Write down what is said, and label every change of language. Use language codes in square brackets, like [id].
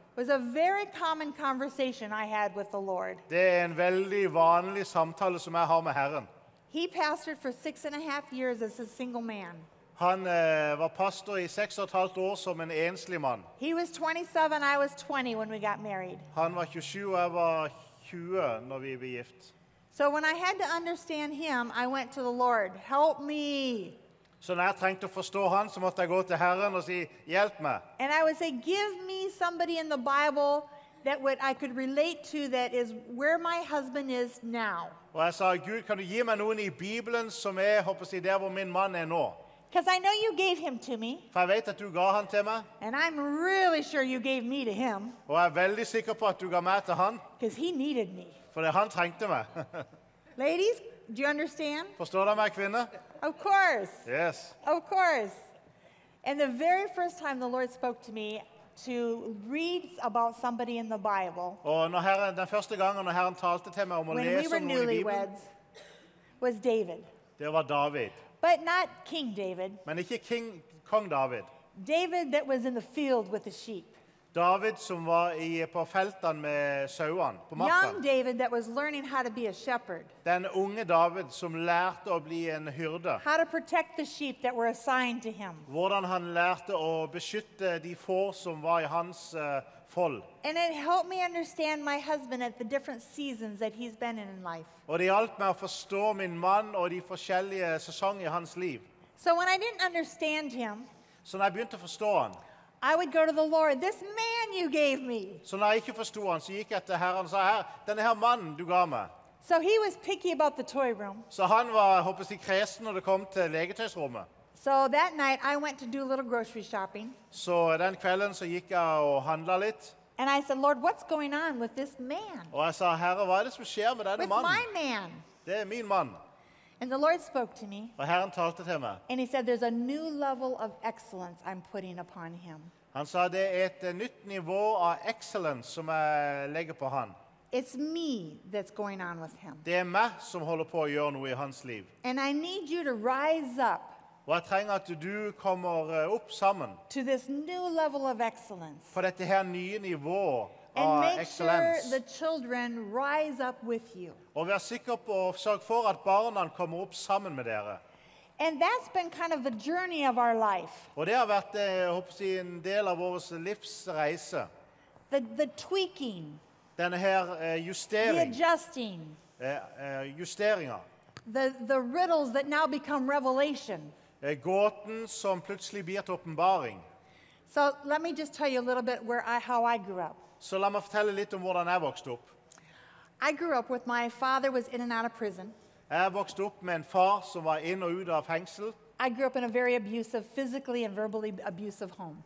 [en] was a very common conversation I had with the Lord. [no] Det en veldig vanlig samtale som jeg har med Herren. [en] He pastored for 6.5 years as a single man. [no] Han var pastor I 6,5 år som en enslig mann. [en] He was 27, I was 20 when we got married. [no] Han var 27, jeg var 20 når vi ble gift. [en] So when I had to understand him, I went to the Lord, help me. [no] Så når jeg trengte å forstå han, så måtte jeg gå til Herren og si, hjelp meg. [en] And I would say, give me somebody in the Bible that what I could relate to that is where my husband is now. [no] Og jeg sa, Gud, kan du gi meg noen I Bibelen som håper å si, der hvor min mann nå? [en] Because I know you gave him to me. [no] For jeg vet at du ga han til meg. [en] And I'm really sure you gave me to him. [no] Og jeg veldig sikker på at du ga meg til han. [en] Because he needed me. [no] For han trengte meg. [en] Ladies, do you understand? [no] Forstår du meg, kvinne? [en] Of course. Yes. Of course. And the very first time the Lord spoke to me to read about somebody in the Bible. [no] Og når Herren, den første gangen når Herren talte til meg om å lese om noen I Bibelen. [en] When we were newlyweds, was David. [no] Det var David. [en] But not King David. [no] Men ikke King Kong David. [en] David that was in the field with the sheep. [no] David som var I på feltene med sauene på marka. [en] Young David that was learning how to be a shepherd. [no] Den unge David som lærte å bli en hyrde. [en] How to protect the sheep that were assigned to him. [no] Hvordan han lærte å beskytte de får som var I hans fold. [en] And it helped me understand my husband at the different seasons that he's been in life. [no] Og det hjalp meg å forstå min mann og de forskjellige sesonger I hans liv. [en] So when I didn't understand him, [no] så når jeg begynte å forstå han, [en] I would go to the Lord. This man you gave me. [no] Så når jeg ikke forstod han, så gikk jeg til Herren og sa, her, denne her mannen du ga meg. [en] So he was picky about the toy room. [no] Så han var, håper jeg, kresen når det kom til legetøysrommet. [en] So that night I went to do a little grocery shopping. [no] Så den kvelden så gikk jeg og handlet litt. [en] And I said, Lord, what's going on with this man? [no] Og jeg sa, Herre, hva det som skjer med denne mannen? [en] With my man. [no] Det min mann. [en] And the Lord spoke to me. [no] Og Herren talte til meg. [en] And he said, there's a new level of excellence I'm putting upon him. [no] Han sa, det et nytt nivå av excellence som jeg legger på han. [en] It's me that's going on with him. [no] Det meg som holder på å gjøre noe I hans liv. [en] And I need you to rise up. [no] Og jeg trenger at du kommer opp sammen. [en] To this new level of excellence. [no] For dette her nye nivå. [en] And make sure the children rise up with you. [no] Og vær sikker på å sørge for at barna kommer opp sammen med dere. [en] And that's been kind of the journey of our life. [no] Og det har vært, jeg håper, en del av vår livsreise. [en] The tweaking. [no] Denne her justering. [en] The adjusting. [no] Justeringer. [en] The riddles that now become revelation. [no] Gåten som plutselig blir til åpenbaring. [en] So let me just tell you a little bit where how I grew up. [no] Så la meg fortelle litt om hvordan jeg vokste opp. [en] I grew up with my father was in and out of prison. [no] Jeg vokste opp med en far som var inn og ut av fengsel. [en] I grew up in a very abusive, physically and verbally abusive home.